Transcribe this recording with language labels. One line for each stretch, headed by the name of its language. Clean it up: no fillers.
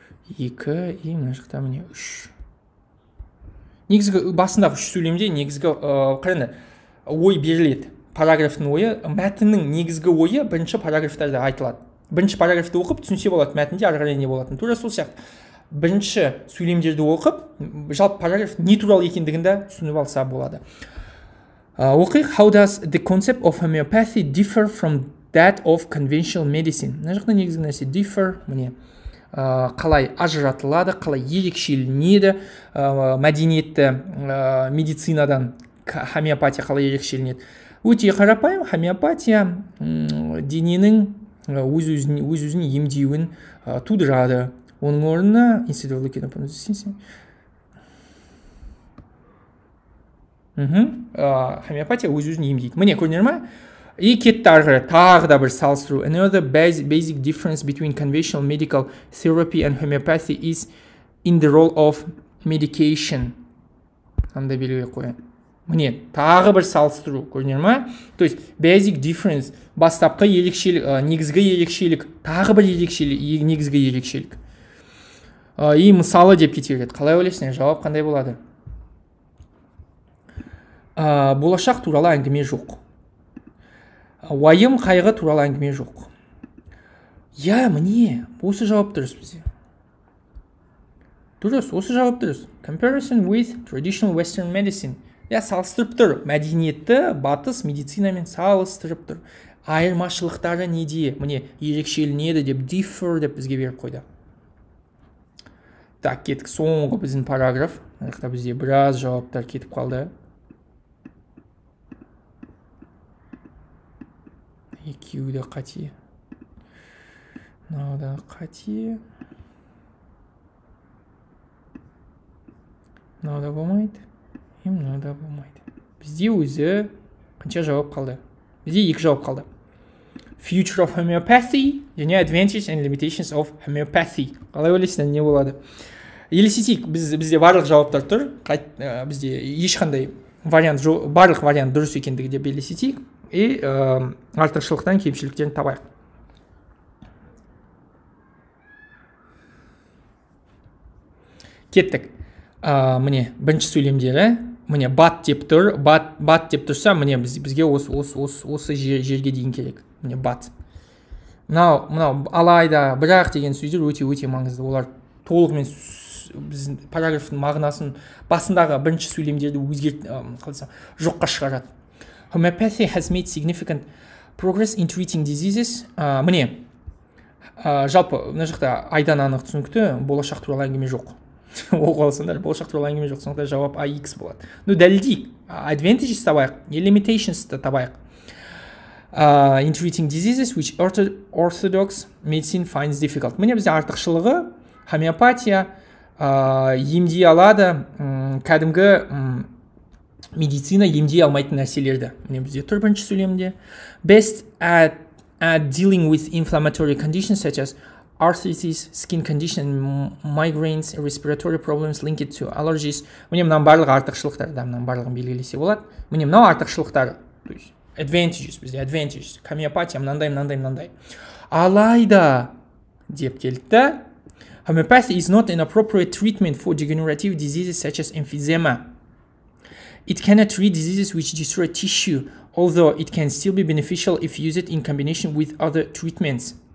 Kazakh: 2 и мына жақта міне 3. Негізгі басындағы 3 сөйлемде негізгі қарайды. Ой беріледі. Параграфтың ойы, мәтіннің негізгі ойы бірінші параграфтарда айтылады. Бірінші параграфты оқып түсінсе болады мәтінде ары қарай не болатынын. Тура сол сияқты. Бірінші сөйлемдерді оқып, жалпы параграф не туралы екендігін де түсініп алса болады. Оқиық.
English: How does the concept of homeopathy differ from that of conventional medicine?
Kazakh: Мына жақта негізгі нәрсе differ міне. Қалай ажыратылады, қалай ерекшеленеді мәдениетті медицинадан хомеопатия қалай ерекшеленеді. Өте қарапайым, хомеопатия дененің өз-өзін емдеуін тудырады. Оның орнына институтлық кенопонезисенсе. Хомеопатия өз-өзін емдейді. Міне көрінер ма? И кетті арғыры, тағы да бір салыстыру.
English: Another basic difference between conventional medical therapy and homeopathy is in the role of medication.
Kazakh: Анда белгілі қойын. Міне, тағы бір салыстыру, көрінер ма? То есть,
English: basic difference,
Kazakh: бастапқы ерекшелік, негізгі ерекшелік, тағы бір ерекшелік, негізгі ерекшелік. И мысалы деп кетерет. Қалай ойлесіне, жауап қандай болады? Болашақ туралы әңгіме жоқ. Уайым қайғы туралы әңгіме жоқ. Я, міне, осы жауап дұрыс бізде. Дұрыс, осы жауап дұрыс.
English: Comparison with traditional western medicine.
Kazakh: Я, салыстырып тұр. Мәдениетті батыс медицинамен салыстырып тұр. Айырмашылықтары неде? Міне, ерекшеленеді деп, differ деп бізге беріп қойды. Так, кеттік соңғы біздің параграф. Арықта бізде біраз жауаптар кетіп қалды. Екеуді қате. Нау да қате. Нау да болмайды. Ем нау да болмайды. Бізде өзі қанша жауап қалды? Бізде екі жауап қалды.
English: Future of homeopathy.
Kazakh: Және
English: advantages and limitations of homeopathy.
Kazakh: Қалай ойлесіне не болады? Елестетейік, бізде барлық жауаптар тұр, бізде ешқандай вариант, барлық вариант дұрыс екендігі деп елестетейік, и артықшылықтан кемшіліктерін табайық. Кеттік. Міне, бірінші сөйлемдері. Міне, бат деп тұр, бат деп тұрса, міне, бізге осы жерге дейін керек. Міне, бат. Мынау, алайда, бірақ деген сөздер өте-өте маңызды. Олар толығымен біздің параграфтың мағынасын басындағы бірінші сөйлемдерді жоққа шығарады.
English: Homeopathy has made significant progress in treating diseases.
Kazakh: Міне, жалпы, мына жақта айдан анық түсінікті, болашақ туралы әңгіме жоқ. Оқалысындар, болшақ туралы әңгіме жоқ, сонда жауап AX болады. Ну, дәлдейік, advantages табайық, limitations табайық.
English: In treating diseases, which orthodox medicine finds difficult.
Kazakh: Міне бізде артықшылығы, хомеопатия, емдей алады, кәдімгі медицина емдей алмайтын нәрселерді. Міне бізде тұрбінші сөйлемде.
English: Best at dealing with inflammatory conditions, such as arthritis, skin condition, migraines, respiratory problems linked to allergies.
Kazakh: Міне, мынаның барлығы артықшылықтары, да, мынаның барлығын белгілесе болады. Міне, мынау артықшылықтары, то есть advantages, бізде advantages, хомеопатия, мынандай. Алайда, деп келді,
English: homeopathy is not an appropriate treatment for degenerative diseases such as emphysema. It cannot treat diseases which destroy tissue, although it can still be beneficial if used in combination with other treatments.